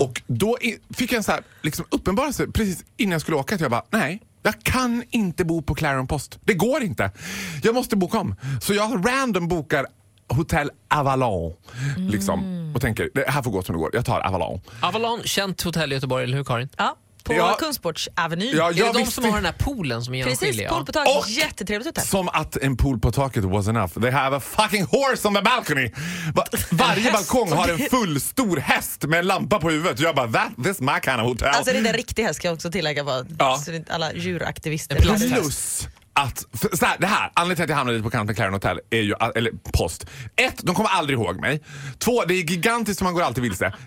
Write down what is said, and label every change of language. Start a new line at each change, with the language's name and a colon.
Swedish: Och då fick jag en så här, liksom uppenbarelse precis innan jag skulle åka. Att jag bara, nej, jag kan inte bo på Clarion Post. Det går inte. Jag måste boka om. Så jag random bokar Hotel Avalon. Liksom, och tänker, det här får gå som det går. Jag tar Avalon. Avalon, känt hotell i Göteborg, eller hur Karin? Ja. På ja, Kungsports Avenue. Ja, är det de som har den här poolen som är genomskinlig? Precis, pool på taket. Och, jättetrevligt hotell. Som att en pool på taket
English: was enough. They have a fucking horse on the balcony.
Swedish: Varje balkong har en full stor häst med en lampa på huvudet. Jag bara,
English: this is my kind of hotel.
Swedish: Alltså det är en riktig häst, kan jag också tillägga. Bara. Ja. Alla djuraktivister. Plus att, så här, det här, anledningen till att jag hamnade lite på kanten med Clarion Hotel är ju, eller post. Ett, de kommer aldrig ihåg mig. Två, det är gigantiskt som man går alltid vilse.